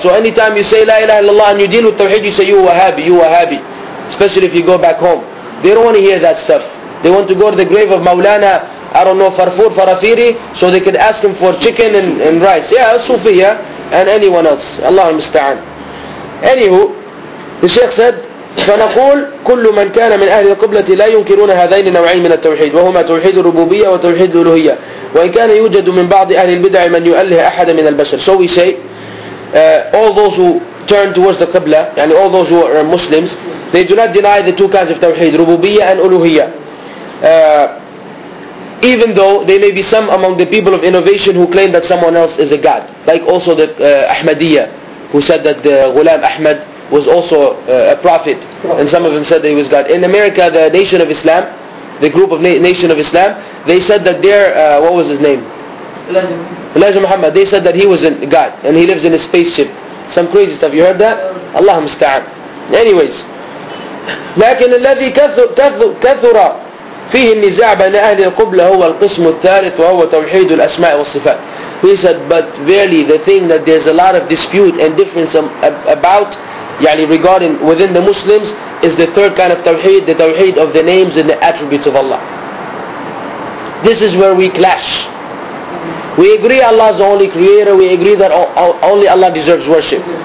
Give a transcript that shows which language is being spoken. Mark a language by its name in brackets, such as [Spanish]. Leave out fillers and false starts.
[English] So anytime you say La ilaha illallah and you deal with Tawheed, you say you Wahhabi. Especially if you go back home. They don't want to hear that stuff. They want to go to the grave of Mawlana, I don't know, Farfur, Farafiri, so they could ask him for chicken and rice. Yeah, Sufiya and anyone else. Allahu musta'an. Anywho, the Shaykh said, [Arabic] فنقول كل من كان من أهل القبلة لا ينكرون هذين النوعين من التوحيد وهما توحيد الربوبية وتوحيد الألوهية وإن كان يوجد من بعض أهل البدع من يؤله أحد من البشر. [English] So we say, all those who turn towards the Qibla, يعني all those who are Muslims, they do not deny the two kinds of توحيد, ربوبية and ألوهية. Even though there may be some among the people of innovation who claim that someone else is a god, like also the Ahmadiyya, who said that the Ghulam Ahmad was also a prophet, and some of them said that he was God. In America, the Nation of Islam, the group of Nation of Islam, they said that their, what was his name? Elijah Muhammad. They said that he was a God, and he lives in a spaceship. Some crazy stuff. You heard that? Allah musta'an. Anyways. [Arabic] لكن الذي كثر فيه النزاع بين أهل القبلة هو القسم الثالث وهو توحيد الأسماء والصفات. [English] He said, but really the thing that there's a lot of dispute and difference about, يعني regarding within the Muslims, is the third kind of tawheed, the tawheed of the names and the attributes of Allah. This is where we clash. We agree Allah is the only creator, we agree that only Allah deserves worship.